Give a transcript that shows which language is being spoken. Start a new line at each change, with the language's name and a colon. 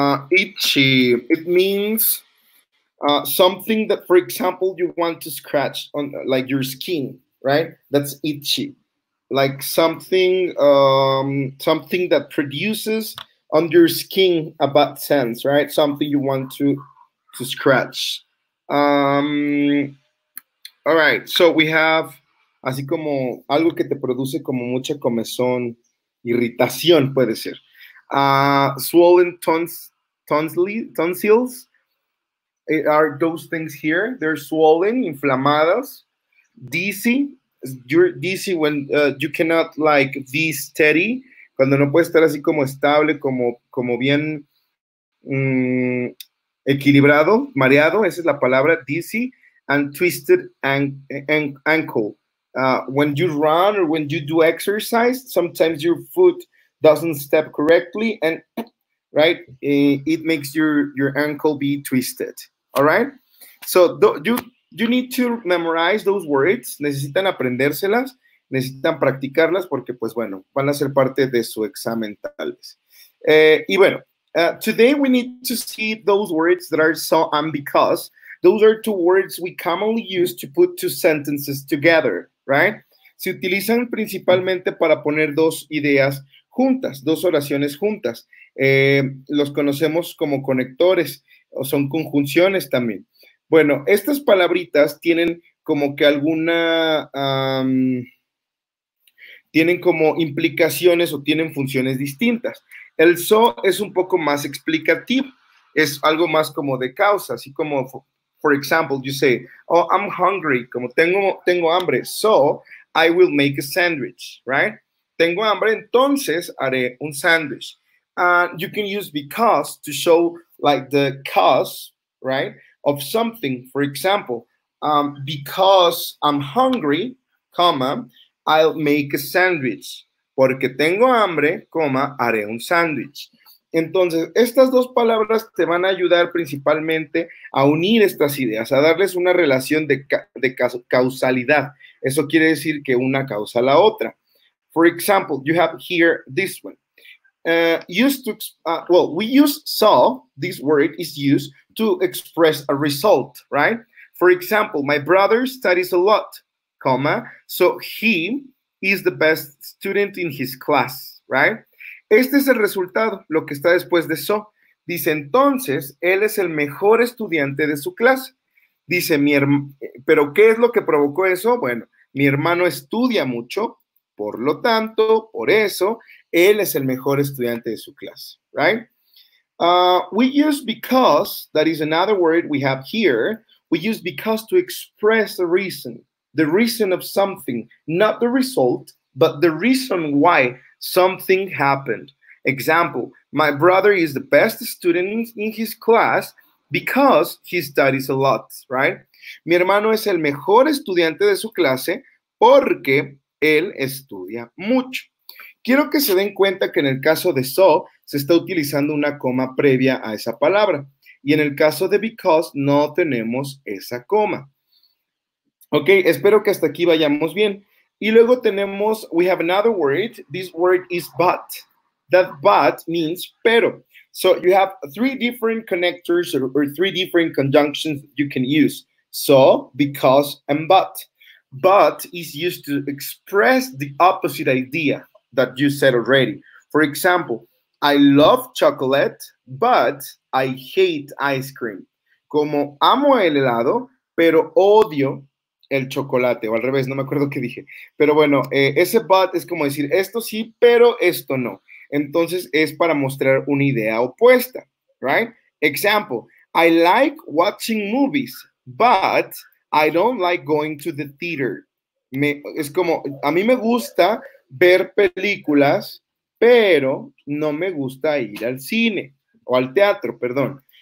English: Itchy, it means something that, for example, you want to scratch on like your skin, right? That's itchy. Like something that produces on your skin a bad sense, right? Something you want to scratch. All right, so we have
Spanish: así como algo que te produce como mucha comezón, irritación puede ser.
English: swollen tonsils. Are those things here? They're swollen, inflamadas, dizzy. You're dizzy when you cannot like be steady.
Spanish: Cuando no puedes estar así como estable, como bien equilibrado, mareado. Esa es la palabra, dizzy.
English: And twisted ankle. When you run or when you do exercise, sometimes your foot doesn't step correctly, and right, it makes your ankle be twisted. All right. So you need to memorize those words.
Spanish: Necesitan aprendérselas. Necesitan practicarlas porque, pues bueno, van a ser parte de su examen tal vez.
English: Today we need to see those words that are so and because. Those are two words we commonly use to put two sentences together, right?
Spanish: Se utilizan principalmente para poner dos ideas juntas, dos oraciones juntas. Los conocemos como conectores o son conjunciones también. Bueno, estas palabritas tienen como que alguna, tienen como implicaciones o tienen funciones distintas. El so es un poco más explicativo, es algo más como de causa, así como...
English: For example, you say, oh, I'm hungry,
Spanish: como tengo hambre,
English: so I will make a sandwich, right?
Spanish: Tengo hambre, entonces haré un sandwich.
English: You can use because to show like the cause, right, of something. For example, because I'm hungry, comma, I'll make a sandwich.
Spanish: Porque tengo hambre, comma, haré un sandwich. Entonces, estas dos palabras te van a ayudar principalmente a unir estas ideas, a darles una relación de causalidad. Eso quiere decir que una causa la otra.
English: For example, you have here this one. We use so, this word is used to express a result, right? For example, my brother studies a lot, comma, so he is the best student in his class, right?
Spanish: Este es el resultado, lo que está después de so. Dice, entonces, él es el mejor estudiante de su clase. Dice, ¿pero qué es lo que provocó eso? Bueno, mi hermano estudia mucho, por lo tanto, por eso, él es el mejor estudiante de su clase, right?
English: We use because, that is another word we have here, we use because to express the reason of something, not the result, but the reason why something happened. Example, my brother is the best student in his class because he studies a lot, right?
Spanish: Mi hermano es el mejor estudiante de su clase porque él estudia mucho. Quiero que se den cuenta que en el caso de so, se está utilizando una coma previa a esa palabra. Y en el caso de because, no tenemos esa coma. Ok, espero que hasta aquí vayamos bien. Y luego tenemos,
English: we have another word, this word is but. That but means pero. So you have three different connectors or three different conjunctions you can use. So, because, and but. But is used to express the opposite idea that you said already. For example, I love chocolate, but I hate ice cream.
Spanish: Como amo el helado, pero odio el chocolate, o al revés, no me acuerdo qué dije. Pero bueno, ese but es como decir, esto sí, pero esto no. Entonces, es para mostrar una idea opuesta, right?
English: Example, I like watching movies, but I don't like going to the theater.
Spanish: Es como, a mí me gusta ver películas, pero no me gusta ir al cine, o al teatro, perdón.